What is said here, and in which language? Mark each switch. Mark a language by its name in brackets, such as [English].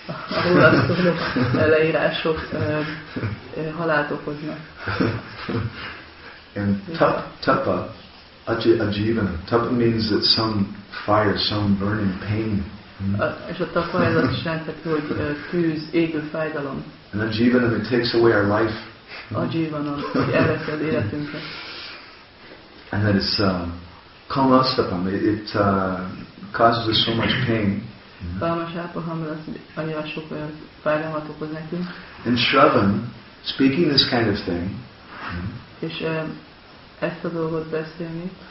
[Hungarian] Ahol a szólók leírások halált okoznak. [Sanskrit] And tapa, ajivana. [English] Tapa means that some fire, some burning pain. [Hungarian] És a tapa ez azt jelenti, hogy tűz, égő fájdalom. [English] And ajivana, it takes away our life. [Hungarian] Ajivana, hogy elveszi az életünket. [English] And that is kamasapam, it causes us so much pain. [Hungarian] Kamasapam, ez annyira sok olyan fájdalmat okoz nekünk. [English] And shravan, speaking this kind of thing. [Hungarian] És ezt a dolgot beszélni.